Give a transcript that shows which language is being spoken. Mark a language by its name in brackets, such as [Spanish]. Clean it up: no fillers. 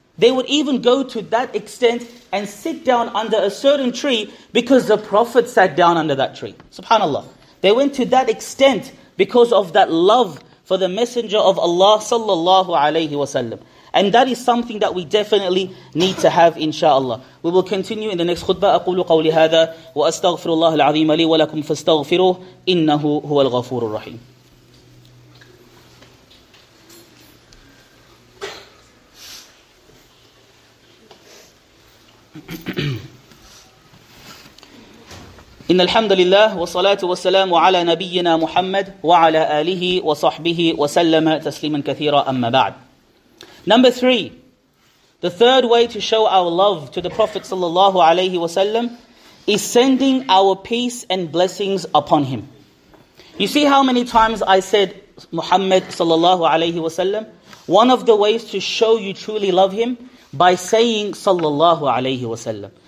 [English] They would even go to that extent and sit down under a certain tree because the Prophet sat down under that tree. Subhanallah. They went to that extent because of that love for the Messenger of Allah sallallahu alayhi wa sallam. And that is something that we definitely need to have, inshallah. We will continue in the next khutbah. [Arabic] أقول قولي هذا وأستغفر الله العظيم لي ولكم فاستغفروه إنه هو الغفور الرحيم. إن الحمد لله والصلاة والسلام على نبينا محمد وعلى آله وصحبه وسلم تسليما كثيرا أما بعد. [English] Number three, the third way to show our love to the Prophet sallallahu alayhi wasallam is sending our peace and blessings upon him. You see how many times I said Muhammad sallallahu alayhi wasallam? One of the ways to show you truly love him by saying sallallahu alayhi wasallam.